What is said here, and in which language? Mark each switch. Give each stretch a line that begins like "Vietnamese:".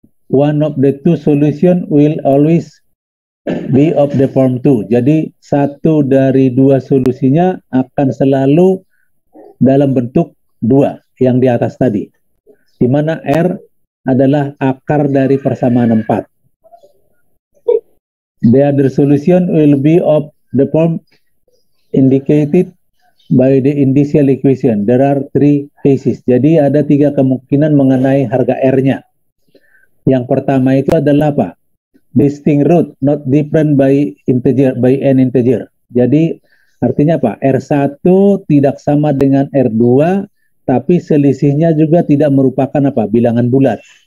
English: One of the two solution will always be of the form 2.
Indonesian: Jadi satu dari dua solusinya akan selalu dalam bentuk 2 yang di atas tadi. Di mana R adalah akar dari persamaan 4.
English: The other solution will be of the form indicated by the initial equation. There are three cases.
Indonesian: Jadi ada 3 kemungkinan mengenai harga R-nya. Yang pertama itu adalah apa?
English: Distinct root, not different by an integer.
Indonesian: Jadi artinya apa? R1 tidak sama dengan R2, tapi selisihnya juga tidak merupakan apa? Bilangan bulat.